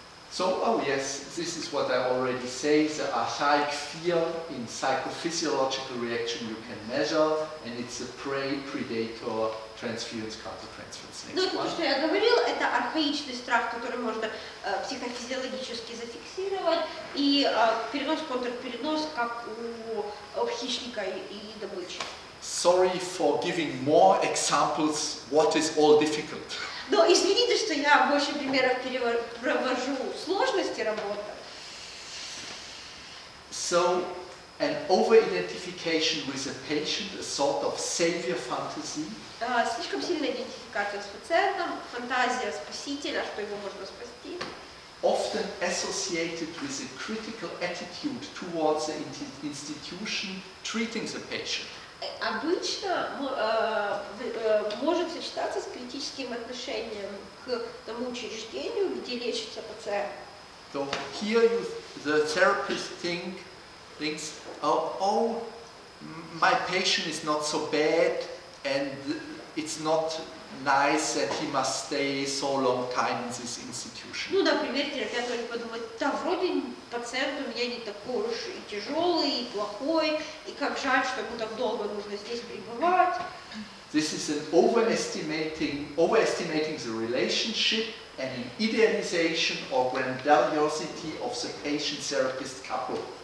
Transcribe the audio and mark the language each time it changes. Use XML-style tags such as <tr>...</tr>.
<en>So, oh yes, this is what I already say, the archaic fear in psychophysiological reaction you can measure, and it's a prey, predator, transference, counter-transference.</en> <ru>Ну, то, что я говорил, это архаичный страх, который можно психофизиологически зафиксировать, и перенос-контр-перенос, как у хищника и добычи.</ru> <en>Sorry for giving more examples, what is all difficult.</en> <ru>Но извините, что я больше примеров провожу сложности работы.</ru> <en>So, an over-identification with a patient, a sort of savior fantasy.</en> <ru>Слишком сильная идентификация с пациентом, фантазия спасителя, что его можно спасти.</ru> <en>Often associated with a critical attitude towards the institution treating the patient.</en> <ru>Обычно может сочетаться с критическим отношением к тому учреждению, где лечится пациент.</ru> <en>So here the therapist thinks, oh, my patient is not so bad and it's not nice that he must stay so long time in this institution.</en> <ru>Ну, например, терапевт может подумать, да, вроде пациент у меня не такой уж и тяжелый, и плохой, и как жаль, что ему так долго нужно здесь пребывать.</ru> <en>This is an overestimating the relationship and an idealization or grandiosity of the patient-therapist couple.</en>